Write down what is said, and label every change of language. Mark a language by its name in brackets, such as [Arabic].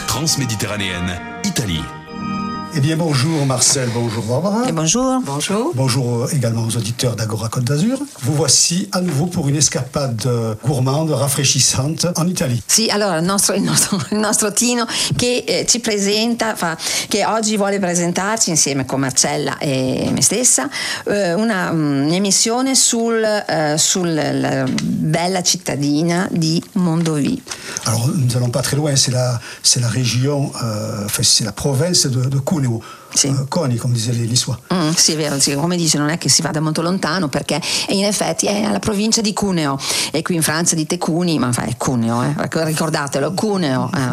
[French] Transméditerranéenne, Italie. Eh bien, bonjour Marcel, bonjour Barbara. Et bonjour. Bonjour. Bonjour également aux auditeurs d'Agora Côte d'Azur. Vous voici à nouveau pour une escapade gourmande, rafraîchissante en Italie. [Italian] Si, alors, il nostro Tino che ci presenta, che oggi vuole presentarci insieme con Marcella e me stessa, una emissione sulla bella cittadina di Mondovì. [French] Alors, nous allons pas très loin, c'est la région, c'est la province de Cuneo. [Italian] Sì. Coni, come dice l'Isua. Sì, è vero, sì, come dice, non è che si vada molto lontano, perché in effetti è alla provincia di Cuneo, e qui in Francia dite Cuni, ma è Cuneo, ricordatelo, Cuneo.